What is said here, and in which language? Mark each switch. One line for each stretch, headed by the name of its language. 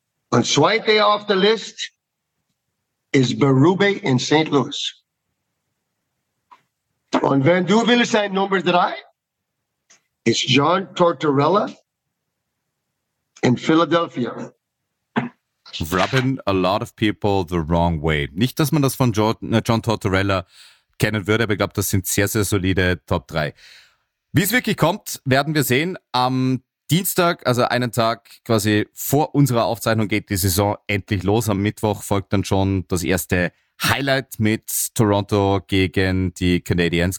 German: Und zweite auf der Liste ist Berube in St. Louis. Und wenn du willst sein Nummer 3, ist John Tortorella in Philadelphia.
English: Rubbing a lot of people the wrong way.
German: Nicht, dass man das von John Tortorella kennen würde, aber ich glaube, das sind sehr, sehr solide Top 3. Wie es wirklich kommt, werden wir sehen. Am Dienstag, also einen Tag quasi vor unserer Aufzeichnung, geht die Saison endlich los. Am Mittwoch folgt dann schon das erste Highlight mit Toronto gegen die Canadiens.